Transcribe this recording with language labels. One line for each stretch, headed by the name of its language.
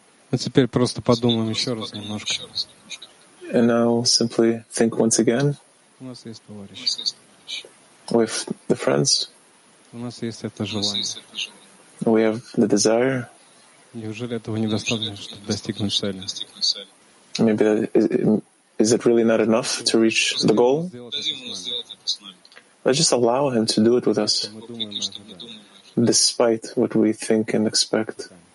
Russian: А теперь просто подумаем еще раз немножко.
English: And I'll simply think once again.
Russian: У нас есть товарищ.
English: With the friends.
Russian: У нас есть это желание.
English: We have the desire.
Russian: Неужели этого недостаточно, чтобы достигнуть цели?
English: Maybe that is it really not enough to reach the goal? Let's just allow him to do it with us. Despite what we think and expect.